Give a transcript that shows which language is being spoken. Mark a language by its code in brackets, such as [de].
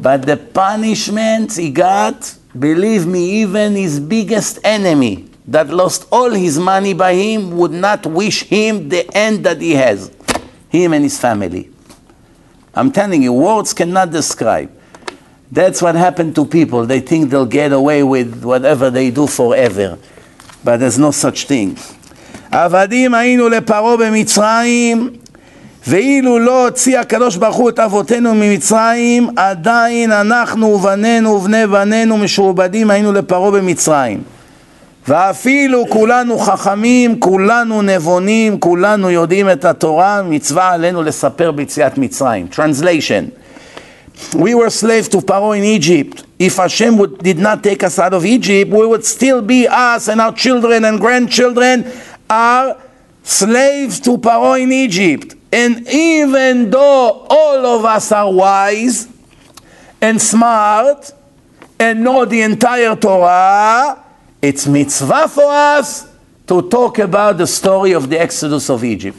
[en] But the punishment he got, believe me, even his biggest enemy that lost all his money by him would not wish him the end that he has, him and his family. I'm telling you, words cannot describe. That's what happened to people. They think they'll get away with whatever they do forever. But there's no such thing. [he] עבדים היינו לפרעה במצרים ואילו לא הוציא הקדוש ברוך הוא את אבותינו ממצרים עדיין אנחנו ובנינו ובני בנינו משועבדים היינו לפרעה במצרים ואפילו כולנו חכמים כולנו נבונים כולנו יודעים את התורה מצווה עלינו לספר ביציאת מצרים [en] Translation. We were slaves to Pharaoh in Egypt. If Hashem did not take us out of Egypt, we would still be us and our children and grandchildren are slaves to Pharaoh in Egypt. And even though all of us are wise and smart and know the entire Torah, it's mitzvah for us to talk about the story of the Exodus of Egypt.